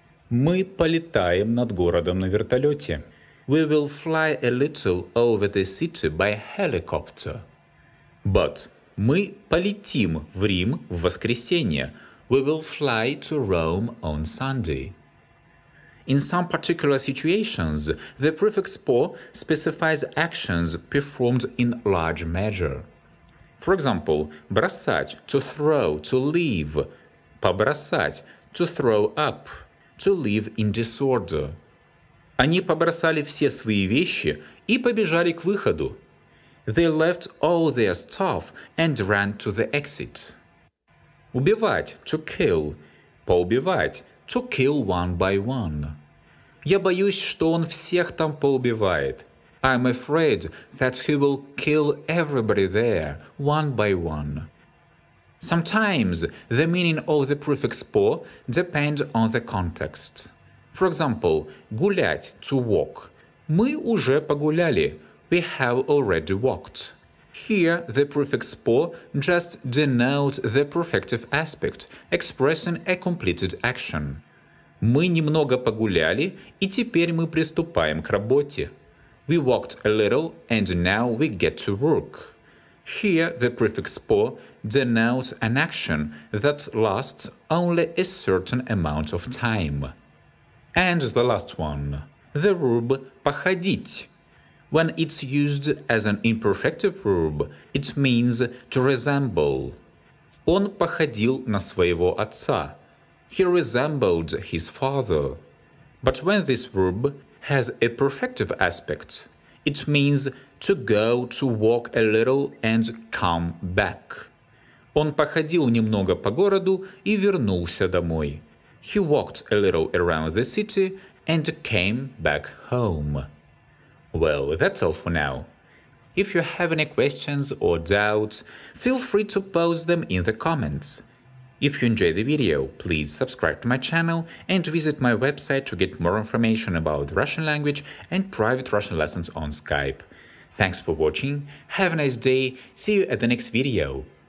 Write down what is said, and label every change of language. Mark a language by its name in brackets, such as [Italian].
[Russian] Мы полетаем над городом на вертолете. [English] We will fly a little over the city by helicopter. But [Russian] мы полетим в Рим в воскресенье. [English] We will fly to Rome on Sunday. In some particular situations, the prefix «по» specifies actions performed in large measure. For example, [Russian] бросать [English] – to throw, to leave. [Russian] Побросать [English] – to throw up, to leave in disorder. [Russian] Они побросали все свои вещи и побежали к выходу. [English] They left all their stuff and ran to the exit. [Russian] Убивать [English] – to kill. [Russian] Поубивать [English] – to kill one by one. [Russian] Я боюсь, что он всех там поубивает. [English] I'm afraid that he will kill everybody there, one by one. Sometimes the meaning of the prefix «по» depends on the context. For example, [Russian] гулять [English] – to walk. [Russian] Мы уже погуляли. [English] We have already walked. Here, the prefix «по» just denotes the perfective aspect, expressing a completed action. [Russian] Мы немного погуляли, и теперь мы приступаем к работе. [English] We walked a little, and now we get to work. Here, the prefix «по» denotes an action that lasts only a certain amount of time. And the last one. The verb «походить». When it's used as an imperfective verb, it means to resemble. [Russian] Он походил на своего отца. [English] He resembled his father. But when this verb has a perfective aspect, it means to go, to walk a little and come back. [Russian] Он походил немного по городу и вернулся домой. [English] He walked a little around the city and came back home. Well, that's all for now. If you have any questions or doubts, feel free to post them in the comments. If you enjoy the video, please subscribe to my channel and visit my website to get more information about Russian language and private Russian lessons on Skype. Thanks for watching, have a nice day, see you at the next video.